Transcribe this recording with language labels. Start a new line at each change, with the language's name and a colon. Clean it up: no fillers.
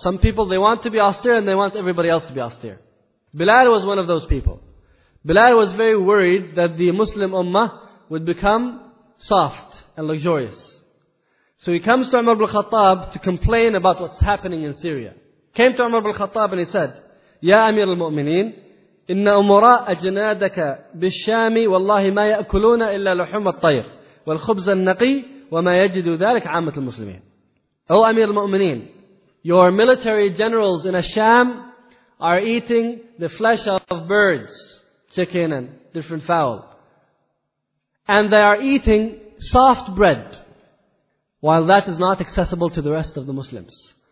English: Some people, they want to be austere, and they want everybody else to be austere. Bilal was one of those people. Bilal was very worried that the Muslim ummah would become soft and luxurious. So he comes to Umar ibn Khattab to complain about what's happening in Syria. Came to Umar ibn Khattab and he said, Ya Amir al-Mu'mineen,
Arabic: إن أمراء أجنادك بالشام والله ما يأكلون إلا لحم الطير والخبز النقي وما يجد ذلك عامة المسلمين. أو أمير المؤمنين,
English: your military generals in Sham are eating the flesh of birds, chicken and different fowl, and they are eating soft bread, while that is not accessible to the rest of the Muslims.